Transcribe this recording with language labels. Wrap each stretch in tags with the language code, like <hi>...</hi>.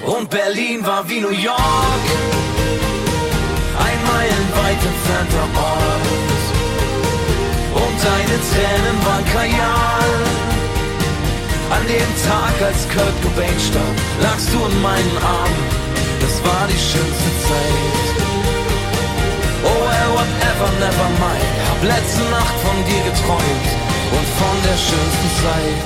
<de>Berlin war wie New York, ein meilenweit entfernter Ort. Und deine Tränen waren Kajal. An dem Tag, als Kurt Cobain starb, lagst du in meinen Armen. Das war die schönste Zeit.</de> <en>Oh well, whatever, never mind.</en> <de>Hab letzte Nacht von dir geträumt und von der schönsten Zeit.</de>